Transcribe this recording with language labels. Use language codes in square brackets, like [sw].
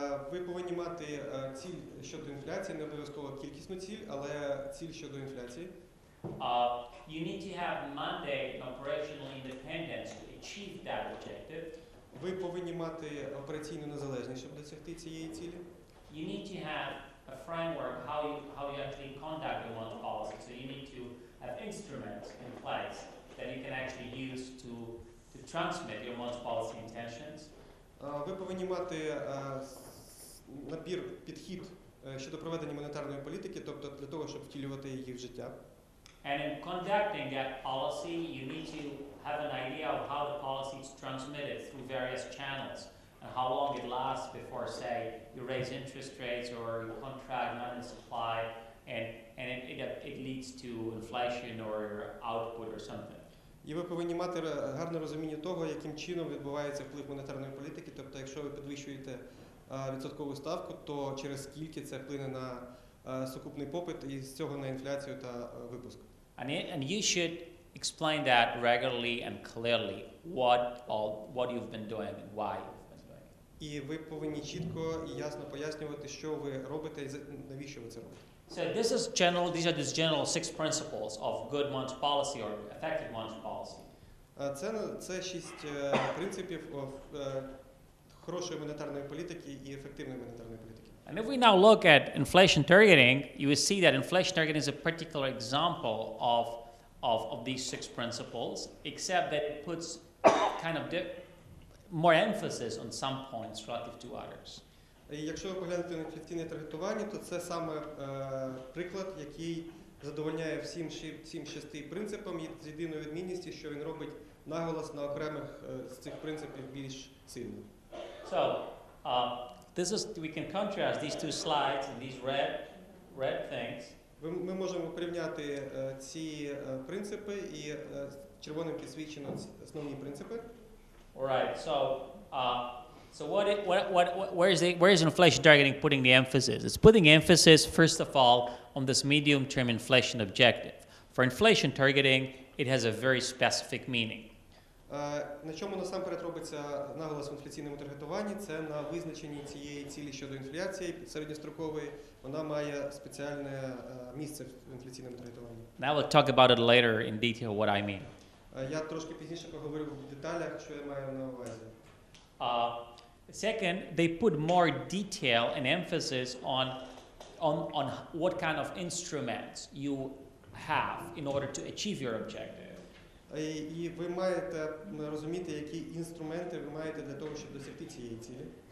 [uk] Ви повинні мати ціль щодо інфляції, не обов'язково кількісну ціль, але ціль щодо інфляції. [en] You need to have mandate and operational independence to achieve that objective. [uk] Ви повинні мати операційну незалежність, щоб досягти цієї цілі. [en] You need to have a framework how you actually conduct your monetary policy. So you need to have instruments in place that you can actually use to transmit your monetary policy intentions. [uk] Ви повинні мати набір підхід щодо проведення монетарної політики, тобто для того, щоб втілювати її в життя. [en] And in conducting that policy, you need to have an idea of how the policy is transmitted through various channels and how long it lasts before, say, you raise interest rates or you contract money supply and it leads to inflation or your output or something. [uk] І ви повинні мати гарне розуміння того, яким чином відбувається вплив монетарної політики. Тобто, якщо ви підвищуєте відсоткову ставку, то через скільки це вплине на сукупний попит і з цього на інфляцію та випуск. [en] And you should explain that regularly and clearly, what you've been doing and why you've been doing it. [uk] І ви повинні чітко і ясно пояснювати, що ви робите і навіщо ви це робите. [en] So this is general. These are just general 6 principles of good monetary policy or effective monetary policy. [uk] Це 6 принципів хорошої монетарної політики і ефективної монетарної політики. [en] And if we now look at inflation targeting, you will see that inflation targeting is a particular example of these 6 principles, except that it puts kind of more emphasis on some points relative to others. [uk] І якщо ви поглянете на інфляційне таргетування, то це саме приклад, який задовольняє всім 6 принципам, і з єдиною відмінністю, що він робить наголос на окремих з цих принципів більш сильним. [en] So, this is, we can contrast these two slides and these red things. [uk] Ми можемо порівняти ці принципи і червоним підсвічено основні принципи. [en] All right, So where is inflation targeting putting the emphasis? It's putting emphasis, first of all, on this medium-term inflation objective. For inflation targeting, it has a very specific meaning. [uk] На чому насамперед робиться наголос в інфляційному таргетуванні? Це на визначенні цієї цілі щодо інфляції середньострокової. Вона має спеціальне місце в інфляційному таргетуванні. [en] Now we'll talk about it later in detail what I mean. [uk] Я трошки пізніше поговорю в деталях, що я маю на увазі. [en] Second, they put more detail and emphasis on what kind of instruments you have in order to achieve your objective. [uk] І ви маєте розуміти, які інструменти ви маєте для того, щоб досягти цієї цілі.